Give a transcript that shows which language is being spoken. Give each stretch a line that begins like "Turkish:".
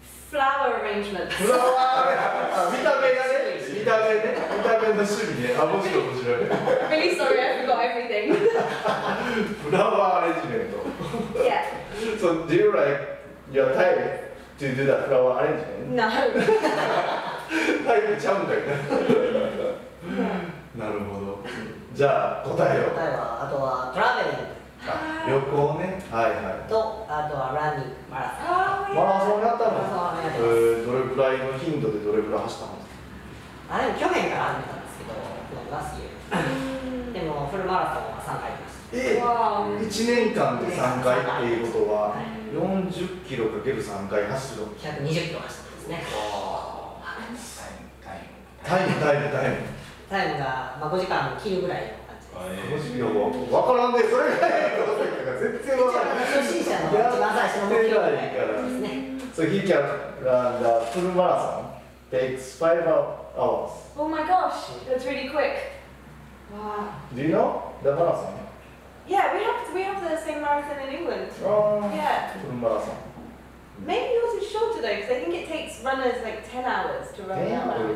Japanese: フラワーアレンジメント。フラワーアレンジメント。見た目がね、見た目の趣味ね。あ、もちろん面白い。
English: Really sorry, I forgot everything.
Japanese: フラワーアレンジメント。
English: Yeah. So, do you like your type to do that flower arrangement? No.
Japanese: タイプちゃうんだよ。なるほど。じゃあ答えを。答えはあとはトラベリング。旅行ね。はいはい。とあとはランニング、マラソン。マラソンやったの。マラソンやった。どれくらいの頻度でどれくらい走ったの？あ、でも去年から始めたんですけど、もう
English: last year。
Japanese: でもフルマラソンは3回です。 1年間で3回っていうことは、40キロかける3回走るの。 120キロ走ったんですね。わあ。タイム。タイムが、まあ、5時間切るぐらいの感じです。 5時間は分からんで、それぐらいの時とか全然分からん。初心者の一番最初の目標ぐらいですね。
English: So he can run the full marathon takes 5 hours. Oh my gosh, that's really quick. Wow. Do you know the marathon? Yeah, we have the same marathon in England. Yeah. Full marathon. Maybe yours is shorter though, because I think it takes runners like 10 hours to run.